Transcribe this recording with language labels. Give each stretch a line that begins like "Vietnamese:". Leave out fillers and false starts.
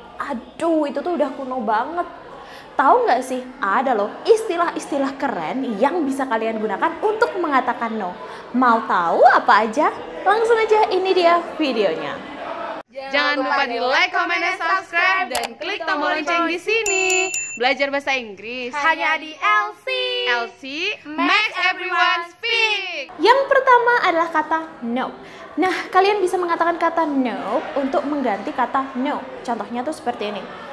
Indonesian: Aduh, itu tuh udah kuno banget. Tahu nggak sih, ada loh istilah-istilah keren yang bisa kalian gunakan untuk mengatakan no. Mau tahu apa aja? Langsung aja, ini dia videonya. Jangan lupa di like, comment, dan subscribe, dan klik tombol lonceng di sini. Belajar bahasa Inggris hanya di Elsie.
English: Elsie makes everyone speak.
Indonesian: Yang pertama adalah kata no. Nah, kalian bisa mengatakan kata no untuk mengganti kata no. Contohnya tuh seperti ini.